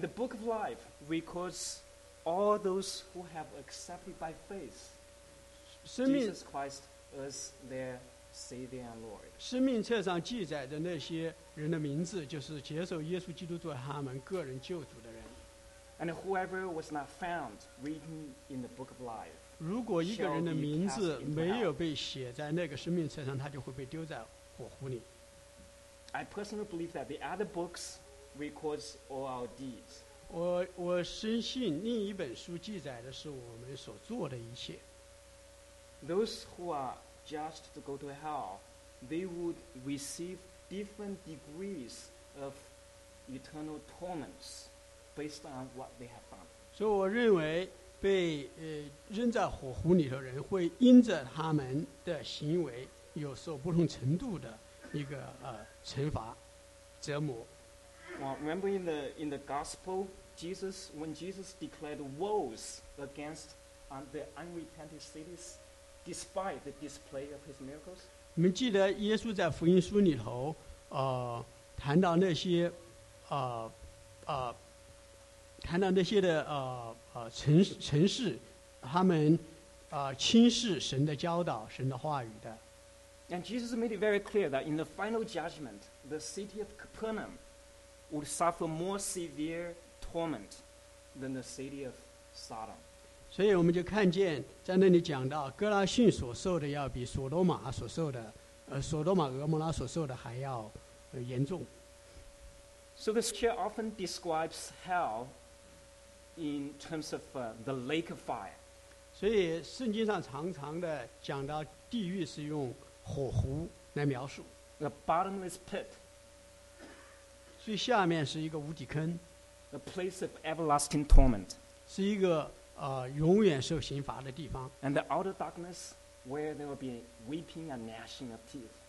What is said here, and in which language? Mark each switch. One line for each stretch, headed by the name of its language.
English: the Book of Life records all those who have accepted by faith Jesus Christ as their Savior and Lord.
Chinese: 生命册上记载的那些人的名字，就是接受耶稣基督做他们个人救主的人。
English: And whoever was not found written in the Book of Life,
Chinese: 如果一个人的名字没有被写在那个生命册上，他就会被丢在火湖里。
English: I personally believe that the other books records all our deeds.
Chinese: 我深信另一本书记载的是我们所做的一切。
English: Those who are judged to go to hell they would receive different degrees of eternal torments based on what they have done. So I think being thrown into the fire will be based on their actions.
Chinese: 有受不同程度的一个惩罚折磨。
English: Well, remember in the gospel, Jesus, when Jesus declared woes against the unrepentant cities despite the display of his miracles?
Chinese: 你们记得耶稣在福音书里头谈到那些谈到那些的城市他们轻视神的教导神的话语的。
English: And Jesus made it very clear that in the final judgment, the city of Capernaum would suffer more severe torment than the city of Sodom.
Chinese: 所以我们就看见在那里讲到哥拉逊所受的要比索多玛所受的索多玛俄摩拉所受的还要严重。
English: So the scripture often describes hell in terms of the lake of fire.
Chinese: 所以圣经上常常的讲到地狱是用火湖来描述
English: the bottomless pit,
Chinese: 最下面是一个无底坑
English: the place of everlasting torment,
Chinese: 是一个永远受刑罚的地方
English: and the outer darkness where there will be weeping and gnashing of teeth,